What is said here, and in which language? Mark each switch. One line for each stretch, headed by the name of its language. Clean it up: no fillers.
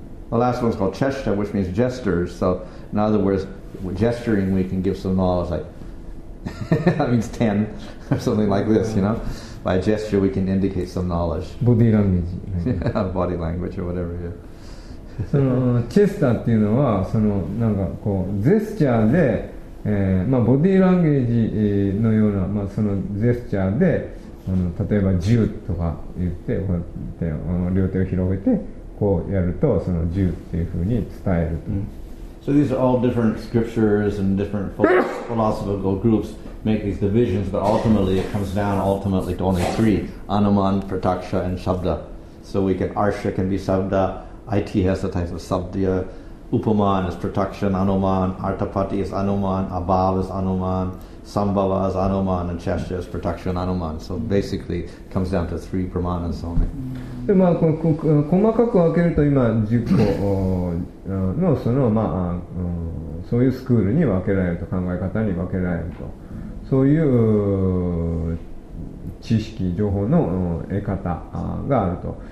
English: The last one is called Cheshta, which means gestures. So in other words, gesturing we can give some knowledge like that means 10 or something like this, you know. By gesture we can indicate some knowledge. Body language. Body language or whatever, yeah.
Japanese: そのチェスターっていうのはそのなんかこうジェスチャーで、まあ、ボディーランゲージのような、まあ、そのジェスチャーで例えば銃とか言ってこうやって両手を広げてこうやるとその銃っていうふうに伝えると、
English: So these are all different scriptures and different philosophical groups make these divisions, but ultimately it comes down ultimately to only three: anuman, pratyaksha, and shabda. So we can arsha can be shabda. IT has the types of sabdhya, upaman is production, anuman, artapati is anuman, abhav is anuman, sambhava is anuman, and chashya is production, anuman. So basically, it comes down to three pramanas only.
Japanese: で、まあ、細かく分けると今10個のその、まあ、そういうスクールに分けられると、考え方に分けられると。そういう知識、情報の得方があると。